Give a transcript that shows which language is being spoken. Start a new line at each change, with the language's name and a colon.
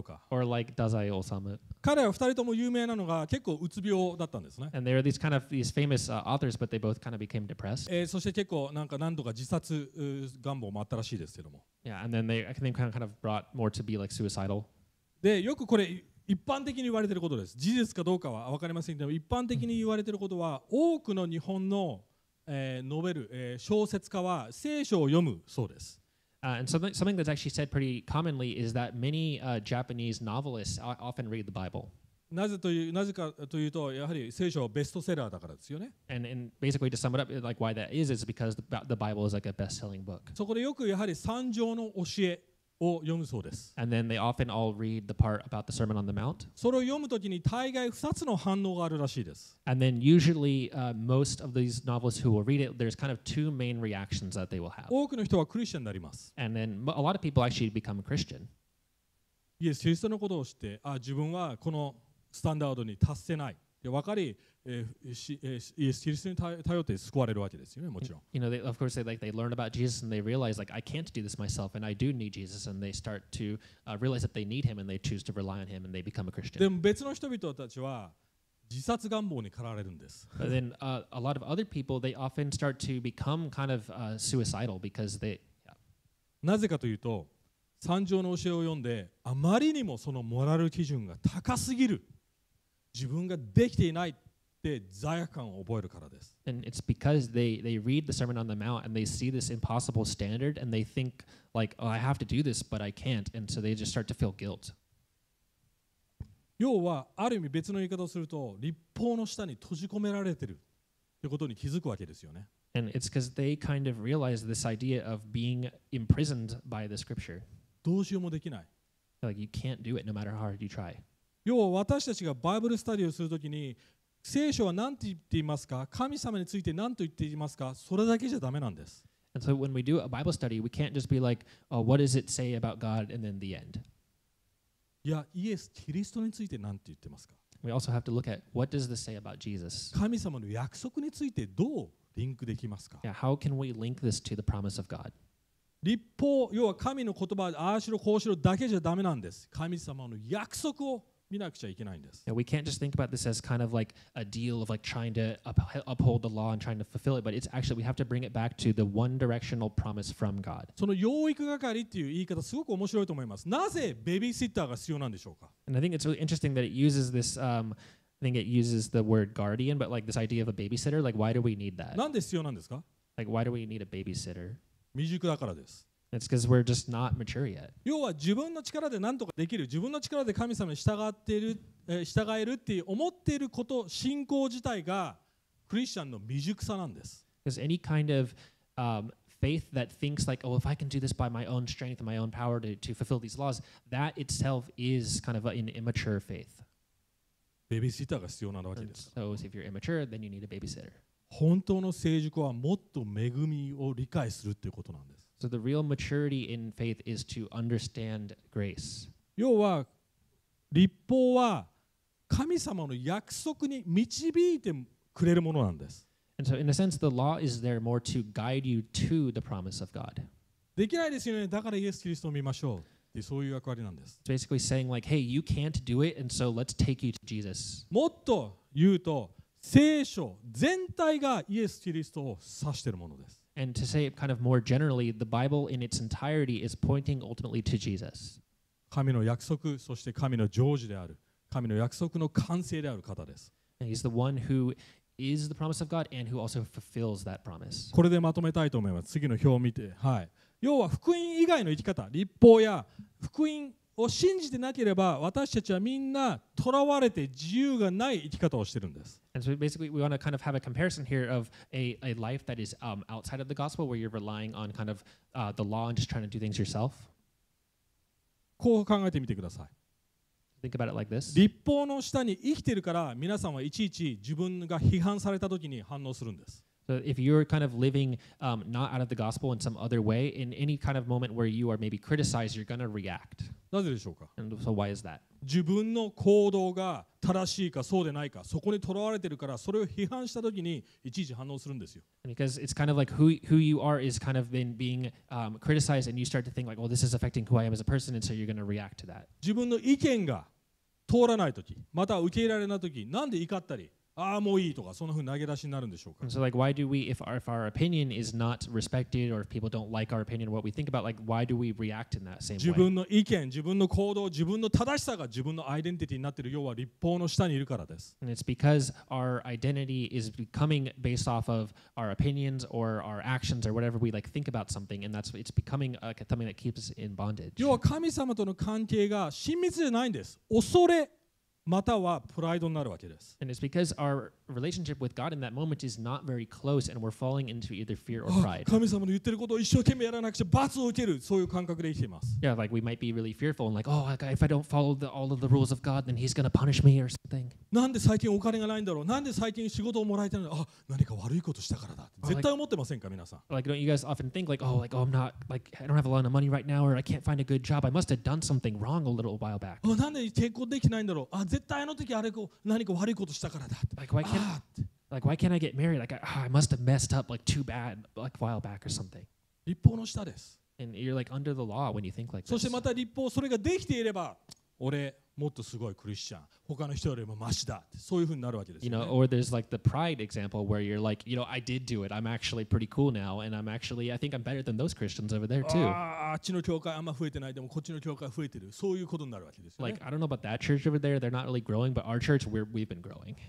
English: Or like Dazai Osamu. And they are these kind of these famous authors, but they both kind of became depressed. Yeah, and then they kind of brought more to be like suicidal.
Japanese: で、よくこれ一般的に言われていることです。事実かどうかは分かりませんけど、一般的に言われていることは、多くの日本の、ノベル、小説家は聖書を読むそうです。
English: And something that's actually said pretty commonly is that many Japanese novelists often read the Bible.
Japanese: なぜかというと、やはり聖書はベストセラーだからですよね。
English: And basically to sum it up, like why that is, it's because the Bible is like a best-selling book.
Japanese: そこでよくやはり三条の教え。
English: And then they often all read the part about the Sermon on the Mount.
Japanese: それを読むときに大概二つの反応があるらしいです。
English: And then usually most of these novelists who will read it, there's kind of two main reactions that they will have.
Japanese: 多くの人はクリスチャンになります。
English: And then a lot of people actually become Christian.
Japanese: イエス・キリストのことを知って、あ、自分はこのスタンダードに達せない。わかり、イエス・キリストに頼って救われるわけですよね、もちろん。
English: You know, they, of course, they learn about Jesus and they realize, like, I can't do this myself and I do need Jesus and they start to realize that they need him and they choose to rely on him and they become a Christian.
Japanese: でも別の人々たちは自殺願望に駆られるんです。
English: But then a lot of other people, they often start to become kind of suicidal because they... Yeah.
Japanese: なぜかというと、三条の教えを読んであまりにもそのモラル基準が高すぎる。自分ができていないって罪悪感を覚えるからです。
English: And it's because they read the Sermon on the Mount and they see this impossible standard and they think like, oh, I have to do this, but I can't. And so they just start to feel guilt.
Japanese: 要はある意味別の言い方をすると、律法の下に閉じ込められてるってことに気づくわけですよね。
English: And it's because they kind of realize this idea of being imprisoned by the scripture.
Japanese: どうしようもできない。
English: Like you can't do it no matter how hard you try.
Japanese: 要は私たちがバイブルスタディをするときに聖書は何て言っていますか、神様について何と言っていますか、それだけじゃダメなんです。
English: And so when we do a Bible study, we can't just be like, oh, what does it say about God and then the end?
Japanese: いや、イエス・キリストについて何て言ってますか。
English: We also have to look at what does this say about Jesus?
Japanese: 神様の約束についてどうリンクできますか。
English: Yeah, how can we link this to the promise of God?
Japanese: 立法、要は神の言葉、ああしろこうしろだけじゃダメなんです。神様の約束を見なくちゃいけないんです。
English: Yeah, we can't just think about this as kind of like a deal of like trying to uphold the law and trying to fulfill it, but it's actually we have to bring it back to the one directional promise from God.
Japanese: その養育係っていう言い方すごく面白いと思います。なぜベビーシッターが必要なんでしょうか。
English: And I think it's really interesting that it uses this, I think it uses the word guardian, but like this idea of a babysitter, like why do we need that?
Japanese: なんで必要なんですか。
English: Like why do we need a babysitter?
Japanese: 未熟だからです。
English: It's because we're just not mature yet.
Japanese: 要は自分の力で何とかできる、自分の力で神様に従っている、従えるって思っていること、信仰自体がクリスチャンの未熟さなんです。
English: Because any kind of faith that thinks like, oh, if I can do this by my own strength, my own power to fulfill these laws, that itself is kind of an immature faith.
Japanese: ベビーシッターが必要なわけです。
English: So if you're immature, then you need a babysitter.
Japanese: 本当の成熟はもっと恵みを理解するっていうことなんです。
English: So the real maturity in faith is to understand grace.
Japanese: 要は律法は神様の約束に導いてくれるものなんです。
English: And so in a sense, the law is there more to guide you to the promise of God.
Japanese: できないですよね。だからイエス・キリストを見ましょう。で、そういう役割なんです。
English: It's basically saying like, hey, you can't do it, and so let's take you to Jesus.
Japanese: もっと言うと、聖書全体がイエス・キリストを指しているものです。
English: And to say it kind of more generally, the Bible in its entirety is pointing ultimately to Jesus.
Japanese: 神の約束、そして神の成就である、神の約束の完成である方です。
English: And he's the one who is the promise of God and who also fulfills that promise.
Japanese: これでまとめたいと思います。次の表を見て、はい。要は福音以外の生き方、律法や福音を信じてなければ、私たちはみんな囚われて自由がない生き方をしているんです。
English: And so basically, we want to kind of have a comparison here of a life that is outside of the gospel, where you're relying on kind of the law and just trying to do things yourself.
Japanese: こう考えてみてください。
English: Think about it like this.
Japanese: 律法の下に生きているから、皆さんはいちいち自分が批判されたときに反応するんです。
English: If you're kind of living not out of the gospel in some other way, in any kind of moment where you are maybe criticized, you're going to react.
Japanese: なぜでしょうか?
English: And so why is that?
Japanese: 自分の行動が正しいかそうでないか、そこにとらわれているから、それを批判したときにいちいち反応するんですよ。
English: Because it's kind of like who you are is kind of been being criticized and you start to think like, well, this is affecting who I am as a person and so you're going to react to that.
Japanese: 自分の意見が通らないとき、または受け入れられないとき、なんで怒ったり、ああもういいとかそんなふうに投げ出しになるんでしょうか。
English: And so like why do we if our opinion is not respected or if people don't like our opinion what we think about like why do we react in that same way?
Japanese: 自分の意見、自分の行動、自分の正しさが自分のアイデンティティになっている要は律法の下にいるからです。
English: And it's because our identity is becoming based off of our opinions or our actions or whatever we like think about something and that's it's becoming like something that keeps us in bondage.
Japanese: 要は神様との関係が親密じゃないんです。恐れまたはプライドになるわけです。
English: And it's because our relationship with God in that moment is not very close and we're falling into either fear or pride.
Japanese: 神様の言ってることを一生懸命やらなくちゃ罰を受ける、そういう感覚で生きています。
English: Yeah, like we might be really fearful and like, oh, like if I don't follow all of the rules of God, then he's going to punish me or something.
Japanese: なんで最近お金がないんだろう、なんで最近仕事をもらえてないの、あ、何か悪いことしたからだ。絶対思ってませんか、皆さん。
English: Like, don't you guys often think like, oh, I'm not, like, I don't have a lot of money right now or I can't find a good job. I must have done something wrong a little while back.
Japanese: なんで結婚できないんだろう、あ、絶対あの時あれこ何か悪いことしたからだ。
English: Like, why can't I get married? Like, I must have messed up like too bad like a while back or something.
Japanese: 立法の下です。
English: And you're like under the law when you think like this.
Japanese: そしてまた立法それができていれば、俺もっとすごいクリスチャン、他の人よりもマシだ。そういうふうになるわけですよね。
English: You know, or there's like the pride example where you're like, you know, I did do it. I'm actually pretty cool now, and I'm actually, I think I'm better than those Christians over there too.
Japanese: あっちの教会あんま増えてない、でもこっちの教会増えてる。そういうことになるわけですよね。
English: Like, I don't know about that church over there. They're not really growing, but our church, we've been growing.